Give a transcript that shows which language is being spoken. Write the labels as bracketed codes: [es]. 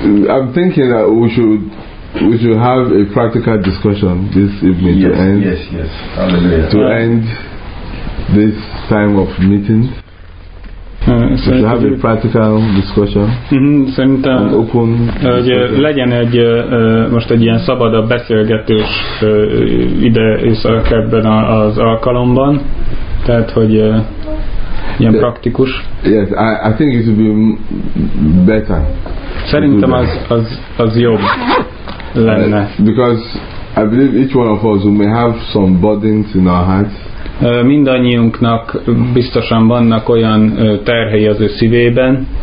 [en] I'm thinking that we should have a practical discussion this evening end this time of meeting. We should have a practical discussion. [hu] Szerintem, hogy legyen egy most egy ilyen szabadabb beszélgetés ide és ebben az alkalomban, tehát hogy ilyen praktikus. [en] Yes, I think it would be better. [hu] Szerintem az jobb lenne. [en] Because I believe each one of us may have some burdens in our hearts. [hu] Mindannyiunknak biztosan vannak olyan terhei az ő szívében.